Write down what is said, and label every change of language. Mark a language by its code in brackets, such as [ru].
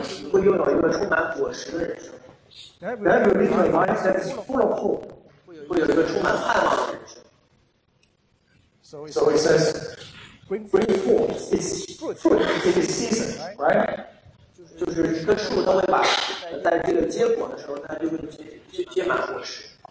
[zh] 会拥有一个充满果实的人生 [en] That will be a life that is full of hope [zh] 会有一个充满盼望的人生 [en] So it says Bring forth its fruit in its season right? [zh] 就是一棵树都会把在这个结果的时候它就会 结满果实